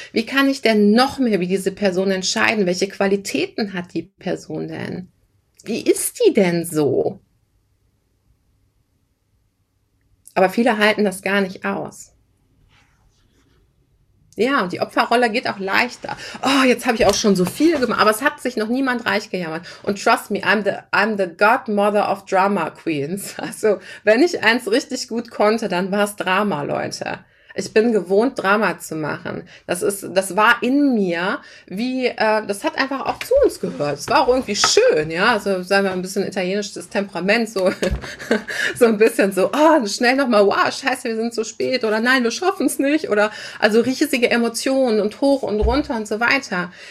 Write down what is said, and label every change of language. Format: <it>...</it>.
<de>Wie kann ich denn noch mehr wie diese Person entscheiden? Welche Qualitäten hat die Person denn? Wie ist die denn so? Aber viele halten das gar nicht aus. Ja, und die Opferrolle geht auch leichter. Oh, jetzt habe ich auch schon so viel gemacht. Aber es hat sich noch niemand reich gejammert.</de> <en>Und trust me, I'm the godmother of drama queens.</en> <de>Also, wenn ich eins richtig gut konnte, dann war es Drama, Leute. Ich bin gewohnt, Drama zu machen. Das war in mir wie, das hat einfach auch zu uns gehört. Es war auch irgendwie schön, ja. Also, sagen wir ein bisschen italienisches Temperament, so, so ein bisschen so, oh, schnell nochmal, wow, scheiße, wir sind zu spät, oder nein, wir schaffen es nicht, oder, also riesige Emotionen und hoch und runter und so weiter.</de>